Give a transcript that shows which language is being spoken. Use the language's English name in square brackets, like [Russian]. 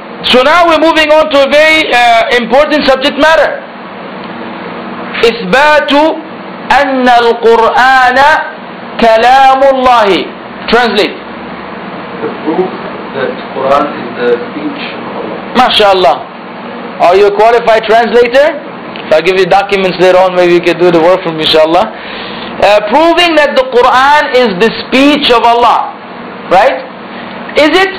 [English] So now we're moving on to a very important subject matter. [Arabic] إثبات أن القرآن كلام الله. [English] Translate. The proof that Quran is the speech. [Arabic] ما شاء الله. [English] Are you a qualified translator? If I give you documents later on, maybe you can do the work for me, inshallah. Proving that the Quran is the speech of Allah, right? Is it?